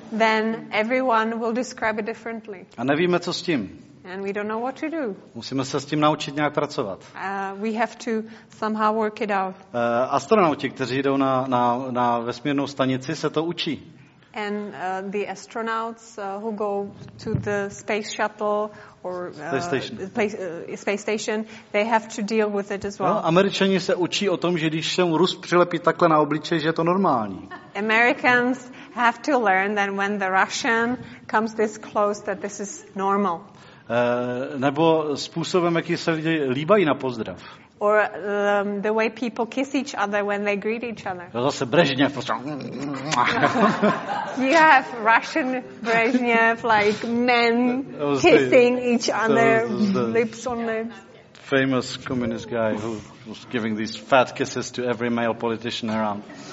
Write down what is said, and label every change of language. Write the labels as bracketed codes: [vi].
[en] Then everyone will describe it differently. [cs] A nevíme, co s tím. [en] And we don't know what to do. [cs] Musíme se s tím naučit nějak pracovat. [en] We have to somehow work it out. [cs] Astronauti, kteří jdou na vesmírnou stanici, se to učí. [en] And the astronauts who go to the space shuttle or space station, they have to deal with it as well. [cs] No, Američani se učí o tom, že když se mu Rus přilepí takhle na obličeje, že je to normální. [en] Americans have to learn that when the Russian comes this close, that this is normal. [cs] Nebo způsobem, jaký se lidi líbají na pozdrav. [en] Or the way people kiss each other when they greet each other. [cs] Zase Brežněv. [en] You have Russian Brežněv, like men kissing each other, lips on lips. Famous communist guy who was giving these fat kisses to every male politician around.